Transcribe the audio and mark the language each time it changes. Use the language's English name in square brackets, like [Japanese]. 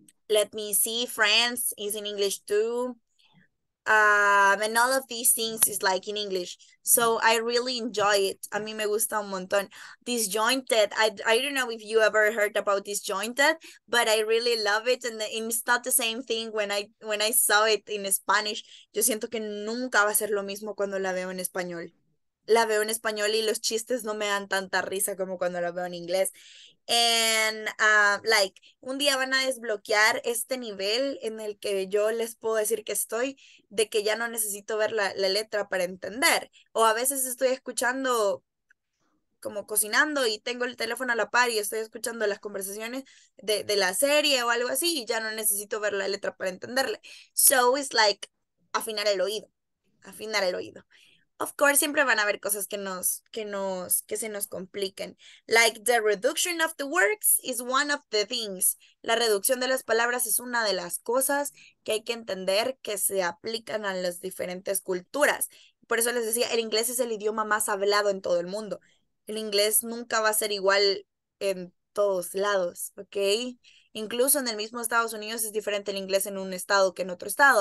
[English] Let me see, Friends is in English too. And all of these things is like in English. So I really enjoy it. [Spanish] A mí me gusta un montón. Disjointed. [English] I don't know if you ever heard about disjointed, but I really love it. And it's not the same thing when I saw it in Spanish. [Spanish] Yo siento que nunca va a ser lo mismo cuando la veo en español. La veo en español y los chistes no me dan tanta risa como cuando la veo en inglés. [English] And like, [Spanish] un día van a desbloquear este nivel en el que yo les puedo decir que estoy, de que ya no necesito ver la letra para entender. O a veces estoy escuchando, como cocinando y tengo el teléfono a la par y estoy escuchando las conversaciones de la serie o algo así y ya no necesito ver la letra para entenderle. [English] So it's like, [Spanish] afinar el oído, afinar el oído. [English] Of course, [Spanish] siempre van a haber cosas que se nos compliquen. [English] Like the reduction of the words is one of the things. [Spanish] La reducción de las palabras es una de las cosas que hay que entender que se aplican a las diferentes culturas. Por eso les decía, el inglés es el idioma más hablado en todo el mundo. El inglés nunca va a ser igual en todos lados, ¿ok? Incluso en el mismo Estados Unidos es diferente el inglés en un estado que en otro estado.